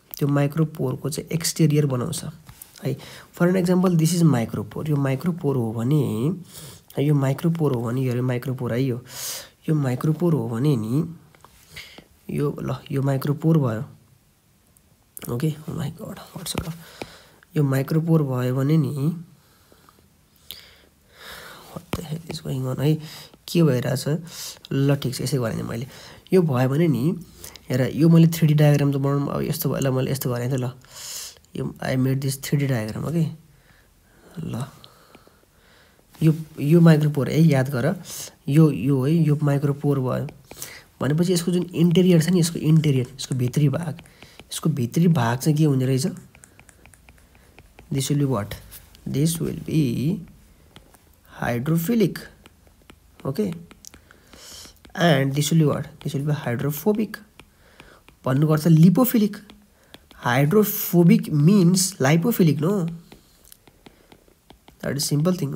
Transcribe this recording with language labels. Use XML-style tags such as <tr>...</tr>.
<ne>त्यो माइक्रोपोर को चाहिँ एक्सटीरियर बनाउँछ है.</ne> <en>For an example this is micropore.</en> <ne>यो माइक्रोपोर हो भने यो माइक्रोपोर हो भने यो माइक्रोपोर आइयो यो माइक्रोपोर हो भने नि यो ल यो माइक्रोपोर भयो.</ne> <en>Okay, oh my god, what's up.</en> <ne>यो माइक्रोपोर भयो भने नि</ne> <en>what the hell is going on</en> <ne>है के भइराछ. ल ठीक छ, यसै गरेँ मैले. यो भयो भने नि हेर यो मैले 3D डायग्राम त बनाउन अब यस्तो भयो ल मैले यस्तो गरेँ त ल यो</ne> <en>I made this 3D diagram.</en> <ne>Okay ल यो माइक्रोपोर है याद गर यो है यो माइक्रोपोर भयो भनेपछि यसको जुन इन्टेरियर छ नि यसको इन्टेरियर यसको भित्री भाग चाहिँ के हुने रहेछ.</ne> <en>This will be what this will be hydrophilic. Okay, and this will be what this will be hydrophobic</en> <ne>भन्नु गर्छ</ne> <en>Lipophilic. Hydrophobic means lipophilic no that is simple thing.</en>